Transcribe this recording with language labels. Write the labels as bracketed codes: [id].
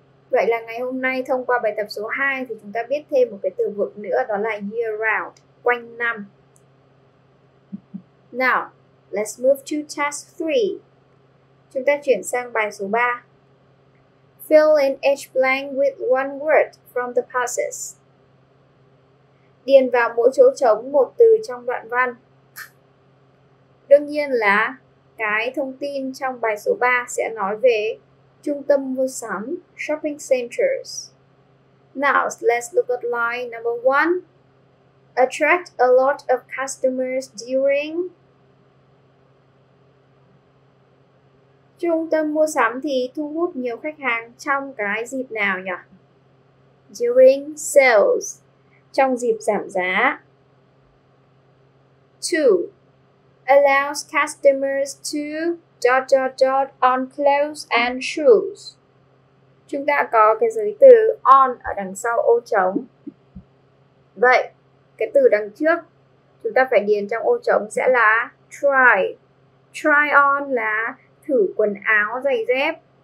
[vi] Vậy là ngày hôm nay thông qua bài tập số 2 thì chúng ta biết thêm một cái từ vựng nữa, đó là year-round, quanh năm. [en] Now, let's move to task 3. [vi] Chúng ta chuyển sang bài số 3. [en] Fill in each blank with one word from the passages. [vi] Điền vào mỗi chỗ trống một từ trong đoạn văn. Đương nhiên là cái thông tin trong bài số 3 sẽ nói về trung tâm mua sắm, shopping centers. [en] Now, let's look at line number 1. Attract a lot of customers during... [vi] Trung tâm mua sắm thì thu hút nhiều khách hàng trong cái dịp nào nhỉ? [en] During sales. [vi] Trong dịp giảm giá. [en] 2. Allows customers to dot dot dot on clothes and shoes. [vi] Chúng ta có cái giới từ on ở đằng sau ô trống. Vậy, cái từ đằng trước chúng ta phải điền trong ô trống sẽ là try. Try on là thử quần áo, giày dép.